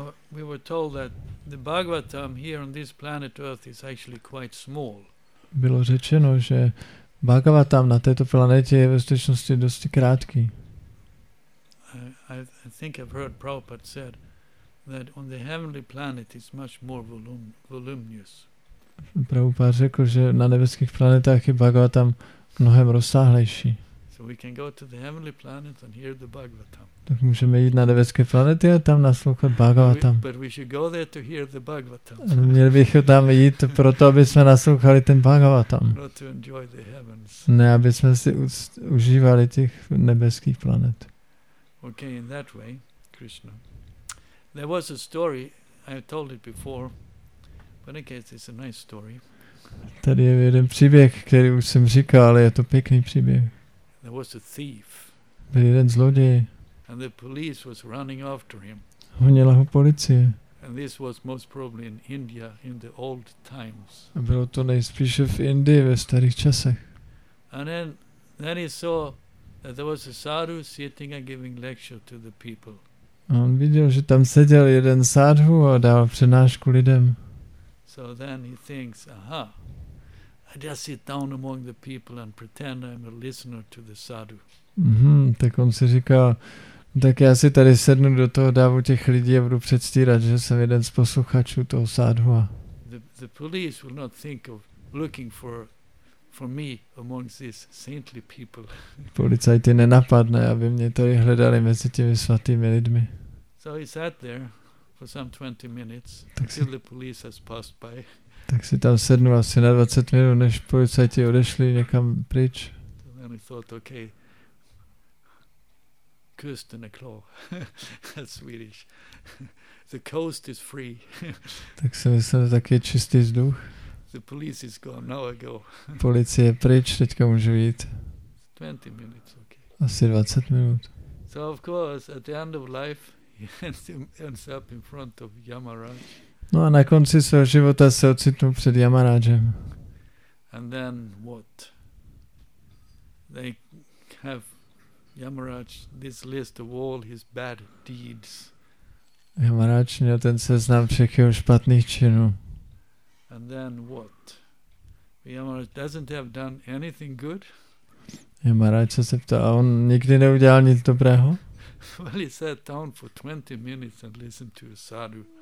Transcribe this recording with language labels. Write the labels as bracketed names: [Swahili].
[English] We were told that the Bhagavatam here on this planet Earth is actually quite small. [Czech] Bylo řečeno, že Bhagavatam na této planetě je ve skutečnosti dosti krátký. [English] I think I've heard Prabhupada said that on the heavenly planet is much more voluminous. [Czech] Prabhupada řekl, že na nebeských planetách je Bhagavatam mnohem rozsáhlejší. [English] So we can go to the heavenly planet and hear the Bhagavatam. [Czech] Tak můžeme jít na nebeské planety a tam naslouchat Bhagavatam. [English] But we should go there to hear the Bhagavatam. [Czech] Měli bychom tam jít proto, aby jsme naslouchali ten Bhagavatam. [English] Not to enjoy the heavens. [Czech] Ne, aby jsme si užívali těch nebeských planet. [English] Okay, in that way, Krishna. There was a story, I told it before, but in case it's a nice story. [Czech] Tady je jeden příběh, který už jsem říkal, ale je to pěkný příběh. [English] There was a thief. [Czech] Byl jeden zloděj. [English] And the police was running after him. [Czech] Honila ho policie. [English] And this was most probably in India in the old times. [Czech] A bylo to nejspíše v Indii ve starých časech. [English] And then he saw that there was a sadhu sitting and giving lecture to the people. [Czech] A on viděl, že tam seděl jeden sadhu a dával přednášku lidem. [English] So then he thinks, aha, I just sit down among the people and pretend I'm a listener to the sadhu. [Czech] Tak on si říkal, tak já si tady sednu do toho davu těch lidí a budu předstírat, že jsem jeden z posluchačů toho sadhua. [English] The police will not think of looking for me amongst these saintly people. [Czech] Policajti nenapadne, aby mě tady hledali mezi těmi svatými lidmi. [English] So he sat there for some 20 minutes until the police has passed by. [Czech] Tak si tam sednu asi na 20 minut, než policajti odešli někam pryč. [English] And then he thought, okay, coast in a claw. That's Swedish. The coast is free. [Czech] Tak si myslím, tak je čistý vzduch. [English] The police is gone, now I go. [Czech] Policie je pryč, teďka můžu jít. [English] 20 minutes, okay. [Czech] Asi 20 minut. [English] So of course, at the end of life, he ends up in front of Yamaraj. [Czech] No a na konci svého života se ocitnu před Yamarajem. [English] And then what? They have Yamaraj this list of all his bad deeds. [Czech] Yamaraj měl ten seznam všech jeho špatných činů. [English] And then what? Yamaraj doesn't have done anything good? [Czech] Yamaraj se ptá, a on nikdy neudělal nic dobrého? [English] Well, he sat down for 20 minutes and listened to a sadhu.